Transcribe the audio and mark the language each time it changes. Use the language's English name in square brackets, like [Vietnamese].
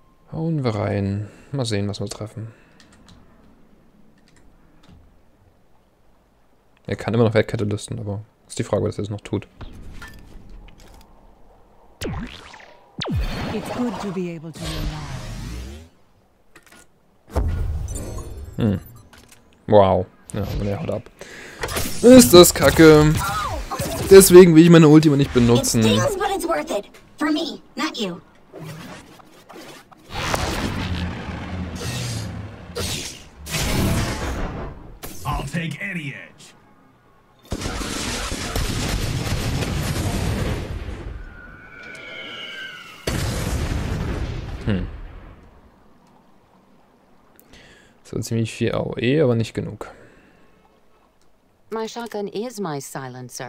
[German] Hauen wir rein. Mal sehen, was wir treffen. Er kann immer noch Weltkatalysten, aber ist die Frage, was er es noch tut. [English] It's good to be able to be alive. [German] Wow. Ja, und er haut ab. Ist das kacke. Deswegen will ich meine Ultima nicht benutzen. [English] For me, not you. I'll take any edge. [German] So ziemlich viel AOE, aber nicht genug. [English] My shotgun is my silencer.